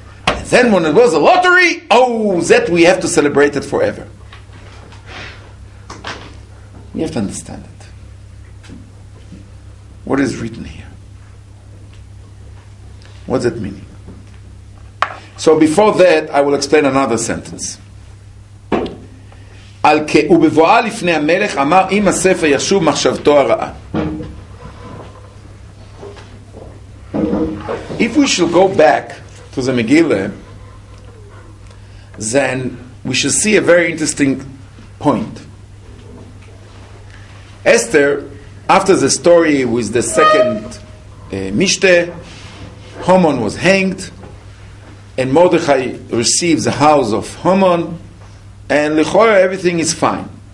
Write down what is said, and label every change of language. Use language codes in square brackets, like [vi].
[en] And then when it was a lottery, oh, that we have to celebrate it forever. You have to understand it. What is written here? What's that meaning? So before that, I will explain another sentence. [he] על כה ובבואה לפני המלך אמר אם הספר ישוב מחשבתו הרעה. [en] If we shall go back to the Megillah, then we shall see a very interesting point. Esther, after the story with the second Mishte, Haman was hanged, and Mordechai received the house of Haman, and Lechora, everything is fine.